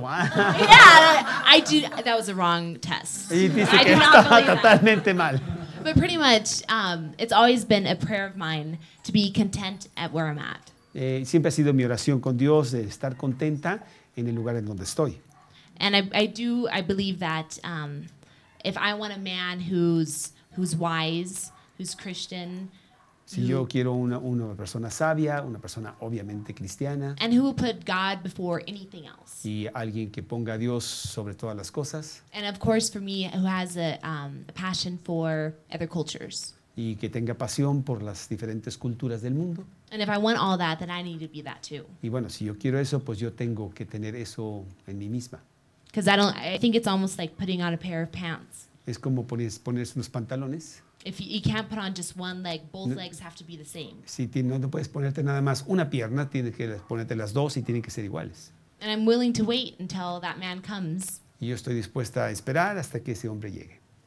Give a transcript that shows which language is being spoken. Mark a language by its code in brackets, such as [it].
[en] yeah, I do, that was a wrong test. [es] Y dice que estaba totalmente mal. [en] But pretty much it's always been a prayer of mine to be content at where I'm at. [es] Siempre ha sido mi oración con Dios de estar contenta en el lugar en donde estoy. [en] And I believe that if I want a man who's wise, who's Christian. [es] Si yo quiero una persona sabia, una persona obviamente cristiana. [en] And who will put God before anything else. [es] Y alguien que ponga a Dios sobre todas las cosas. [en] And of course for me, who has a passion for other cultures. [es] Y que tenga pasión por las diferentes culturas del mundo. [en] And if I want all that, then I need to be that too. [es] Y bueno, si yo quiero eso, pues yo tengo que tener eso en mí misma. [en] Because I think it's almost like putting on a pair of pants. [es] Es como ponerse unos pantalones. [en] If you can't put on just one leg, both legs have to be the same. [es] Si no puedes ponerte nada más una pierna, tienes que ponerte las dos y tienen que ser iguales. [en] And I'm willing to wait until that man comes. [es] Y yo estoy dispuesta a esperar hasta que ese hombre llegue.